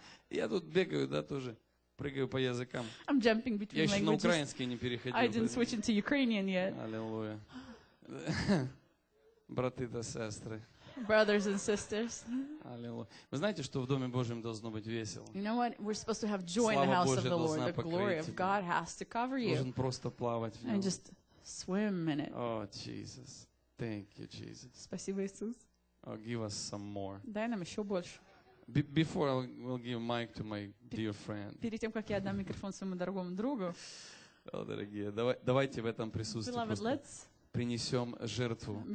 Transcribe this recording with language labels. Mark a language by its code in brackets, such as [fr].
[ru] Я тут бегаю, да, тоже. Прыгаю по языкам. [en] I'm jumping between languages. [ru] Я еще на украинский не переходил. [en] I didn't switch into Ukrainian yet. [ru] Аллилуйя. Браты да сестры. [en] Brothers and sisters. [ru] Аллилуйя. Вы знаете, что в Доме Божьем должно быть весело? [en] You know what? We're supposed to have joy in the house of the Lord. The glory of God has to cover you. [ru] Должен просто плавать в нем. [en] And just swim in it. Oh, Jesus. Thank you, Jesus. [ru] Спасибо, Иисус. [en] Oh, give us some more. [ru] Дай нам еще больше. [en] Before I will give mic to my dear friend. [ru] Перед тем, как я дам микрофон своему дорогому другу. О, дорогие, давайте в этом присутствии принесем жертву Богу.